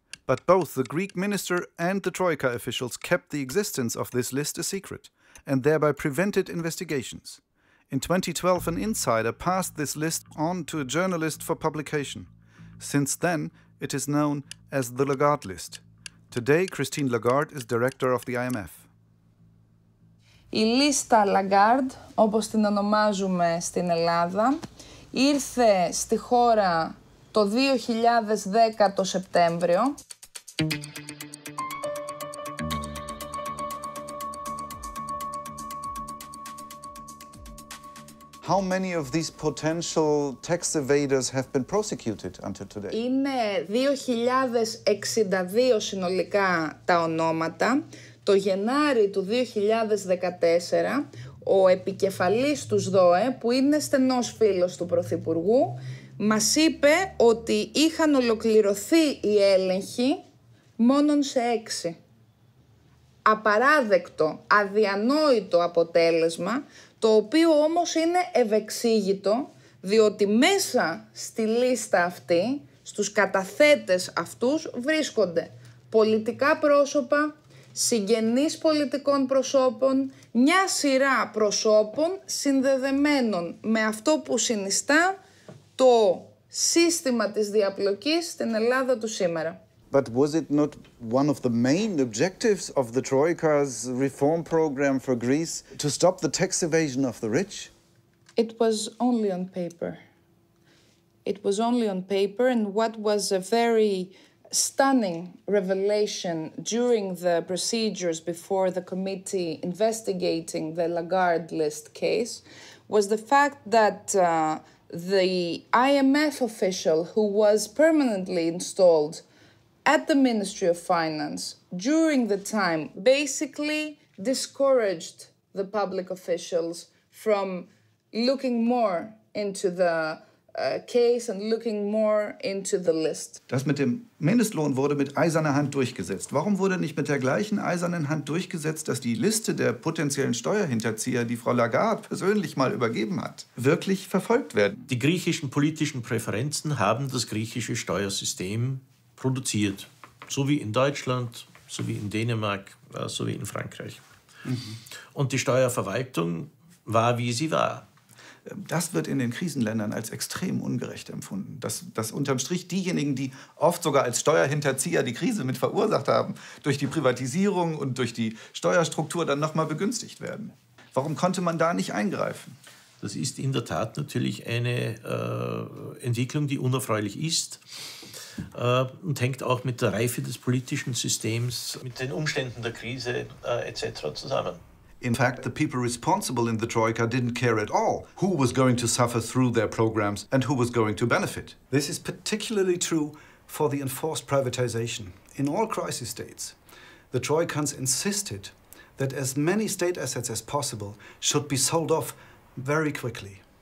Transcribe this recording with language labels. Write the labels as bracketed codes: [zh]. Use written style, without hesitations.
[en] But both the Greek minister and the Troika officials kept the existence of this list a secret and thereby prevented investigations. In 2012, an insider passed this list on to a journalist for publication. Since then, it is known as the Lagarde list. Today, Christine Lagarde is director of the IMF. [el] Η λίστα Lagarde, όπως την ονομάζουμε στην Ελλάδα, ήρθε στη χώρα το 2010 το Σεπτέμβριο. [en] How many of these potential tax evaders have been prosecuted until today? [el] Είναι 2062 συνολικά τα ονόματα. Το Γενάρη του 2014, ο επικεφαλής του ΣΔΟΕ, που είναι στενός φίλος του Πρωθυπουργού, μας είπε ότι είχαν ολοκληρωθεί οι έλεγχοι μόνον σε 6. Απαράδεκτο, αδιανόητο αποτέλεσμα, το οποίο όμως είναι ευεξήγητο, διότι μέσα στη λίστα αυτή, στους καταθέτες αυτούς, βρίσκονται πολιτικά πρόσωπα, συγγενείς πολιτικών προσώπων, μια σειρά προσώπων συνδεδεμένων με αυτό που συνιστά το σύστημα της διαπλοκής στην Ελλάδα του σήμερα. [en] But was it not one of the main objectives of the Troika's reform program for Greece to stop the tax evasion of the rich? It was only on paper. It was only on paper, and what was a very stunning revelation during the procedures before the committee investigating the Lagarde list case was the fact that the IMF official who was permanently installed at the Ministry of Finance during the time basically discouraged the public officials from looking more into the case and looking more into the list. [de] Das mit dem Mindestlohn wurde mit eiserner Hand durchgesetzt. Warum wurde nicht mit der gleichen eisernen Hand durchgesetzt, dass die Liste der potenziellen Steuerhinterzieher, die Frau Lagarde persönlich mal übergeben hat, wirklich verfolgt werden? Die griechischen politischen Präferenzen haben das griechische Steuersystem produziert, so wie in Deutschland, so wie in Dänemark, so wie in Frankreich. Und die Steuerverwaltung war, wie sie war. Das wird in den Krisenländern als extrem ungerecht empfunden. Dass unterm Strich diejenigen, die oft sogar als Steuerhinterzieher die Krise mit verursacht haben, durch die Privatisierung und durch die Steuerstruktur dann nochmal begünstigt werden. Warum konnte man da nicht eingreifen? Das ist in der Tat natürlich eine Entwicklung, die unerfreulich ist und hängt auch mit der Reife des politischen Systems, mit den Umständen der Krise etc. zusammen. [en] In fact, the people responsible in the Troika didn't care at all who was going to suffer through their programs and who was going to benefit. This is particularly true for the enforced privatization. In all crisis states, the Troikans insisted that as many state assets as possible should be sold off very quickly.